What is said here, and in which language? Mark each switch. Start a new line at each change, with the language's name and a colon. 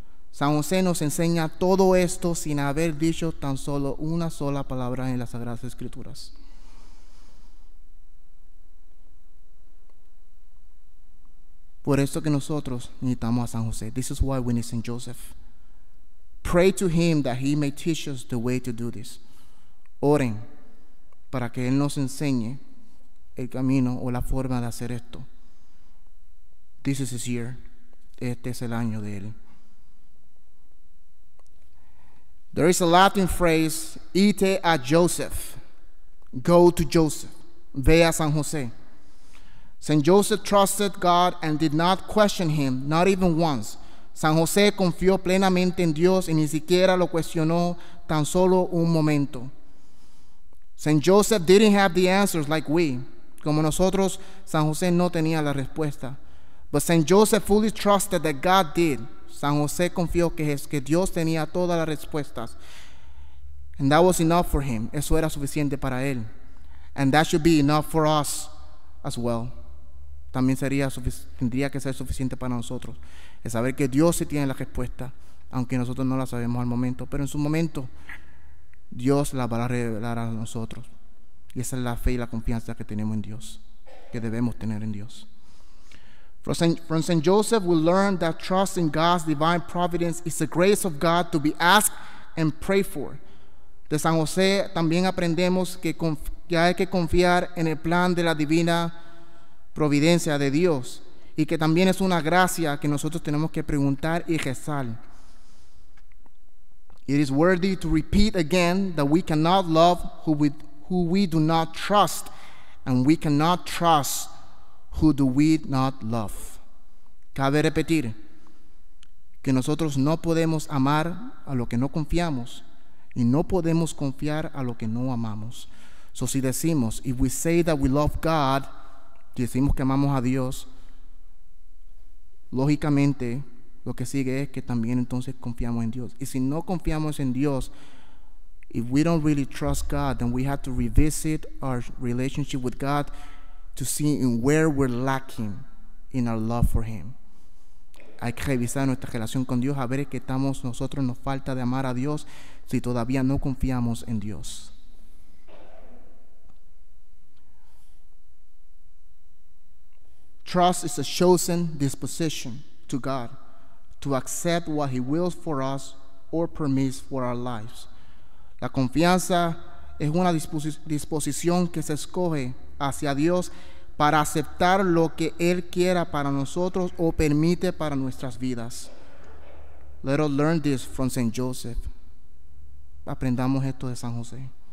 Spanish: San José nos enseña todo esto sin haber dicho tan solo una sola palabra en las Sagradas Escrituras. Por eso que nosotros necesitamos a San José.
English: This is why we need Saint Joseph. Pray to him that he may teach us the way to do this.
Spanish: Oren para que él nos enseñe el camino o la forma de hacer esto.
English: This is his year.
Spanish: Este es el año de él.
English: There is a Latin phrase, ite a Joseph. Go to Joseph.
Spanish: Ve a San José.
English: Saint Joseph trusted God and did not question him, not even once.
Spanish: San José confió plenamente en Dios y ni siquiera lo cuestionó tan solo un momento.
English: Saint Joseph didn't have the answers like we.
Spanish: Como nosotros, San José no tenía la respuesta.
English: But Saint Joseph fully trusted that God did.
Spanish: San José confió que Dios tenía todas las respuestas.
English: And that was enough for him.
Spanish: Eso era suficiente para él.
English: And that should be enough for us as well.
Spanish: También tendría que ser suficiente para nosotros. Es saber que Dios sí tiene la respuesta, aunque nosotros no la sabemos al momento. Pero en su momento, Dios la va a revelar a nosotros. Y esa es la fe y la confianza que tenemos en Dios, que debemos tener en Dios.
English: From Saint Joseph, we learn that trust in God's divine providence is the grace of God to be asked and prayed for.
Spanish: De San José también aprendemos que hay que confiar en el plan de la divina providencia de Dios y que también es una gracia que nosotros tenemos que preguntar y rezar.
English: It is worthy to repeat again that we cannot love who we do not trust and we cannot trust who do we not love.
Spanish: Cabe repetir que nosotros no podemos amar a lo que no confiamos y no podemos confiar a lo que no amamos. So si decimos,
English: if we say that we love God,
Spanish: decimos que amamos a Dios, lógicamente lo que sigue es que también entonces confiamos en Dios. Y si no confiamos en Dios,
English: if we don't really trust God, then we have to revisit our relationship with God to see in where we're lacking in our love for Him.
Spanish: Hay que revisar nuestra relación con Dios a ver que estamos nosotros nos falta de amar a Dios si todavía no confiamos en Dios.
English: Trust is a chosen disposition to God to accept what He wills for us or permits for our lives.
Spanish: La confianza es una disposición que se escoge hacia Dios para aceptar lo que Él quiera para nosotros o permite para nuestras vidas.
English: Let us learn this from Saint Joseph.
Spanish: Aprendamos esto de San José.